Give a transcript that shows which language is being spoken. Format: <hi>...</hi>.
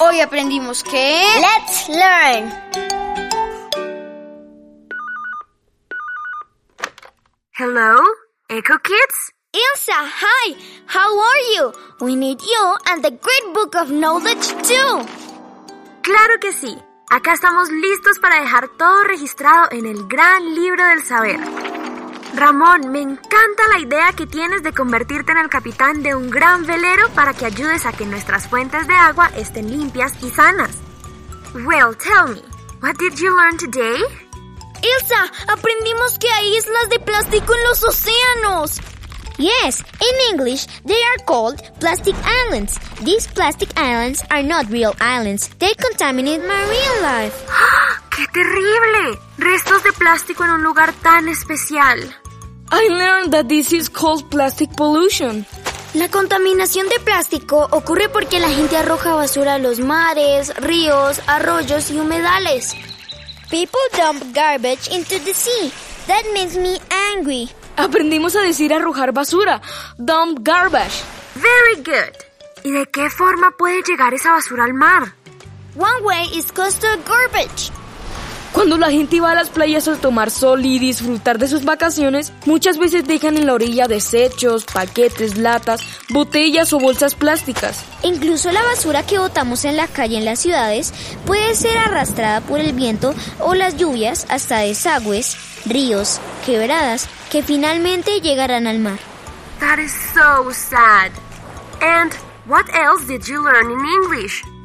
<es>Hoy aprendimos que...</es> <en>¡Let's learn! Hello, Echo Kids? Elsa, hi! How are you? We need you and the great book of knowledge, too!</en> <es>¡Claro que sí! Acá estamos listos para dejar todo registrado en el gran libro del saber. Ramón, me encanta la idea que tienes de convertirte en el capitán de un gran velero para que ayudes a que nuestras fuentes de agua estén limpias y sanas.</es> <en>Well, tell me, what did you learn today?</en> <es>Elsa, aprendimos que hay islas de plástico en los océanos.</es> <en>Yes, in English, they are called plastic islands. These plastic islands are not real islands. They contaminate marine life.</en> <es>¡Qué terrible! Restos de plástico en un lugar tan especial.</es> <en>I learned that this is called plastic pollution.</en> <es>La contaminación de plástico ocurre porque la gente arroja basura a los mares, ríos, arroyos y humedales.</es> <en>People dump garbage into the sea. That makes me angry.</en> <es>Aprendimos a decir arrojar basura.</es> <en>Dump garbage. Very good.</en> <es>¿Y de qué forma puede llegar esa basura al mar?</es> <en>One way is coastal garbage.</en> <es>Cuando la gente va a las playas a tomar sol y disfrutar de sus vacaciones, muchas veces dejan en la orilla desechos, paquetes, latas, botellas o bolsas plásticas. Incluso la basura que botamos en la calle en las ciudades puede ser arrastrada por el viento o las lluvias hasta desagües, ríos, quebradas, que finalmente llegarán al mar.</es> <en>That is so sad. And what else did you learn in English?</en>